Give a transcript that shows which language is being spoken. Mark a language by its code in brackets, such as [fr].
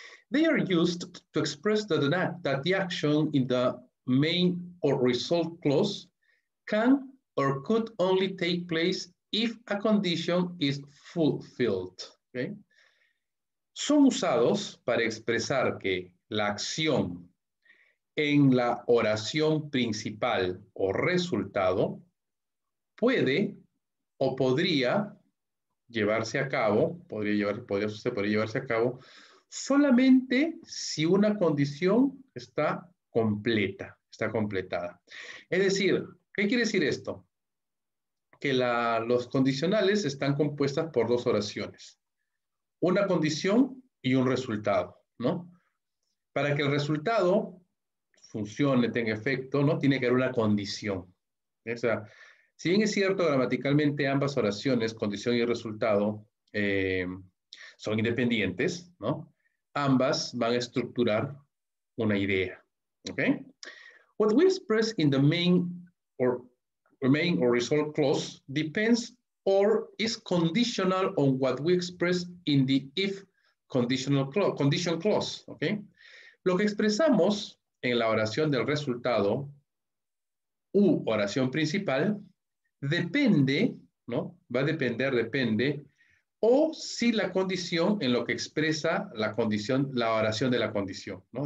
[en] They are used to express that the action in the main or result clause can or could only take place if a condition is fulfilled, ¿okay? [es] Son usados para expresar que la acción en la oración principal o resultado puede o podría llevarse a cabo, podría llevarse a cabo solamente si una condición está completa, está completada. Es decir, ¿qué quiere decir esto? Que los condicionales están compuestas por dos oraciones. Una condición y un resultado, ¿no? Para que el resultado funcione, tenga efecto, ¿no? Tiene que haber una condición. O sea, si bien es cierto, gramaticalmente ambas oraciones, condición y resultado, son independientes, ¿no? Ambas van a estructurar una idea, ¿ok? [en] What we express in the main or result clause depends or is conditional on what we express in the if condition clause. ¿Okay? [es] Lo que expresamos en la oración del resultado u oración principal depende, ¿no? Va a depender, depende, o si la condición en lo que expresa la condición, la oración de la condición, ¿no?